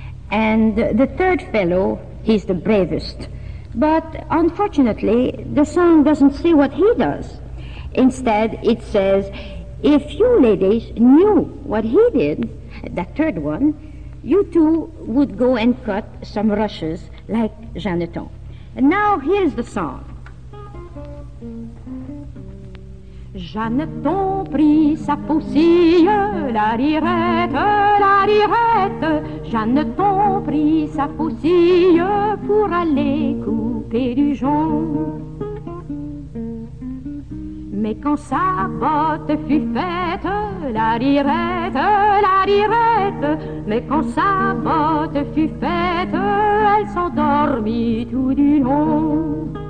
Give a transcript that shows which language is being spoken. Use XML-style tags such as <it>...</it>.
<en>And the third fellow, he's the bravest. But unfortunately, the song doesn't say what he does. Instead, it says, if you ladies knew what he did, that third one, you two would go and cut some rushes like Jeanneton. And now here's the song.</en> <fr>Jeanneton prit sa faucille, la rirette, la rirette. Jeanneton prit sa faucille pour aller couper du jonc. Mais quand sa botte fut faite, la rirette, la rirette. Mais quand sa botte fut faite, elle s'endormit tout du long.</fr>